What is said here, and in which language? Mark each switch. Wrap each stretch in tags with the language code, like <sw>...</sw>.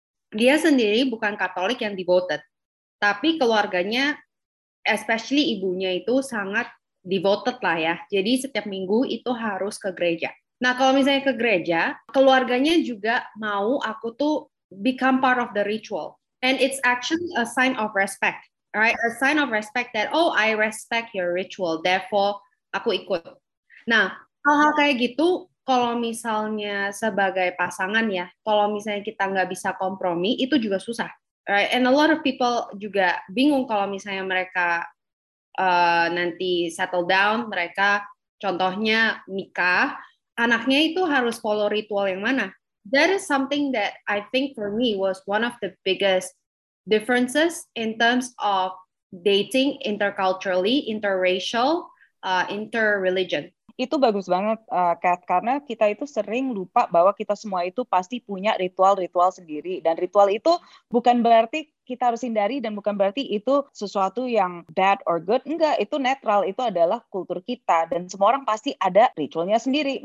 <id>Dia sendiri bukan Katolik yang devoted, tapi keluarganya, especially ibunya itu sangat devoted lah ya. Jadi setiap minggu itu harus ke gereja. Nah kalau misalnya ke gereja, keluarganya juga mau aku tuh become part of the ritual.</id> <en>And it's actually a sign of respect. Right, a sign of respect that, oh, I respect your ritual, therefore, aku ikut.</en> <id>Nah, hal-hal kayak gitu, kalau misalnya sebagai pasangan ya, kalau misalnya kita nggak bisa kompromi, itu juga susah. Right, and a lot of people juga bingung kalau misalnya mereka nanti settle down, mereka contohnya nikah, anaknya itu harus follow ritual yang mana.</id> <en>That is something that I think for me was one of the biggest differences in terms of dating interculturally, interracial, interreligion.</en> <id>Itu bagus banget, Kat, karena kita itu sering lupa bahwa kita semua itu pasti punya ritual-ritual sendiri. Dan ritual itu bukan berarti kita harus hindari dan bukan berarti itu sesuatu yang bad or good. Enggak, itu netral, itu adalah kultur kita. Dan semua orang pasti ada ritualnya sendiri.</id>